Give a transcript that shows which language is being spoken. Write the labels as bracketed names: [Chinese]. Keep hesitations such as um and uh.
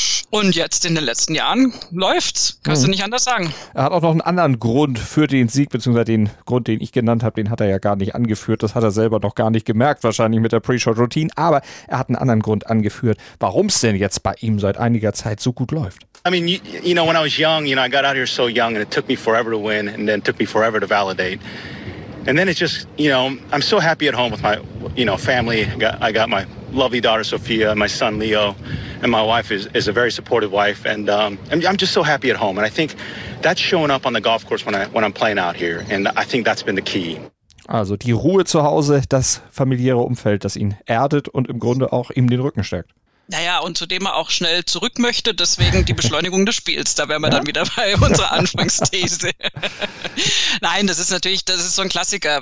[German] Und jetzt in den letzten Jahren läuft's. Kannst hm. du nicht anders sagen. Er hat auch noch einen anderen Grund für den Sieg, beziehungsweise den Grund, den ich genannt habe, den hat er ja gar nicht angeführt. Das hat er selber noch gar nicht gemerkt, wahrscheinlich mit der Pre-Shot-Routine. Aber er hat einen anderen Grund angeführt, warum es denn jetzt bei ihm seit einiger Zeit so gut läuft. [English] I mean, you, you know, when I was young, you know, I got out here so young and it took me forever to win and then it took me forever to validate. And then it's just, you know, I'm so happy at home with my, you know, family. I got, my lovely daughter, Sophia, my son, Leo, and my wife is, is a very supportive wife. And I'm just so happy at home. And I think that's showing up on the golf course when, I, when I'm playing out here. And I think that's been the key. [German] Also die Ruhe zu Hause, das familiäre Umfeld, das ihn erdet und im Grunde auch ihm den Rücken stärkt. Naja, und zu dem er auch schnell zurück möchte, deswegen die Beschleunigung des Spiels. Da wären wir ja? dann wieder bei unserer Anfangsthese. Nein, das ist natürlich, das ist so ein Klassiker.